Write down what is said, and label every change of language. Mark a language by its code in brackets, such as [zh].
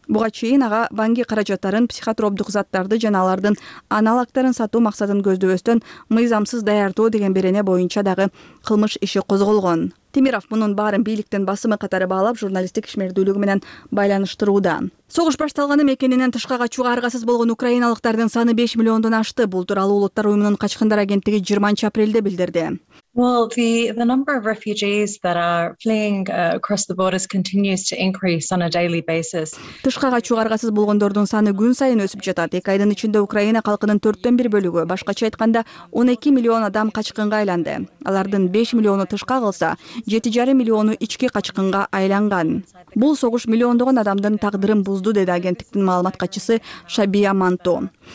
[ky] Буга чейин ага банки каражаттарын, психотроптук заттарды жана алардын аналогдорун сатуу максатын көздөбөстөн мыйзамсыз даярдоо деген берене боюнча дагы кылмыш иши козголгон. Темиров мунун баарын бийликтин басымы катары баалап, журналисттик ишмердүүлүгү менен байланыштырууда. Согуш башталганы мекенинен тышка качууга аргасыз болгон украиналыктардын саны 5 миллиондон ашты. Бул тууралуу Улуттар уюмунун качкындар агенттиги 20 апрелде билдирди. [en] Well, the number of refugees that are fleeing across the borders continues to increase on a daily basis. [ky] Тышка качууга аргасыз болгондордун саны күн сайын өсүп жатат. Эки айдын ичинде Украина калкынын 1/4 бөлүгү, башкача айтканда 12 миллион адам качкынга айланды. Алардын 5 миллиону тышка калса, 7,5 миллиону ички качкынга айланган. Бул согуш миллиондогон адамдын тагдырын бузду, деди агенттиктин маалыматкачысы Шабия Манту.